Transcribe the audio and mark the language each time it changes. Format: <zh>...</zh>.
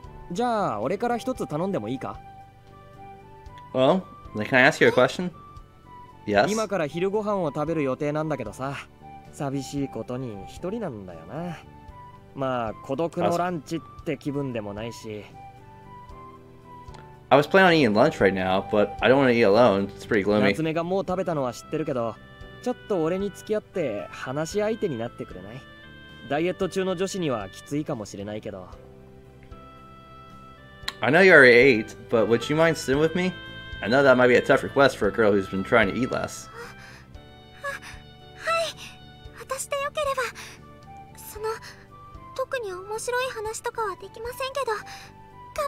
<ja>じゃあ、俺から一つ頼んでもいいか?</ja> <en>Well... Can I ask you a question? Yes?</en> <ja>今から昼ご飯を食べる予定なんだけどさ、寂しいことに一人なんだよな。まあ、孤独のランチって気分でもないし。</ja> <en>I was planning on eating lunch right now, but I don't want to eat alone. It's pretty gloomy.</en> <ja>夏目がもう食べたのは知ってるけど、ちょっと俺に付き合って話し相手になってくれない? ダイエット中の女子にはきついかもしれないけど。</ja> <en>I know you already ate, but would you mind sitting with me? I know that might be a tough request for a girl who's been trying to eat less. Hi, I'm okay. I'm not sure if I can do anything interesting, but I'm</en>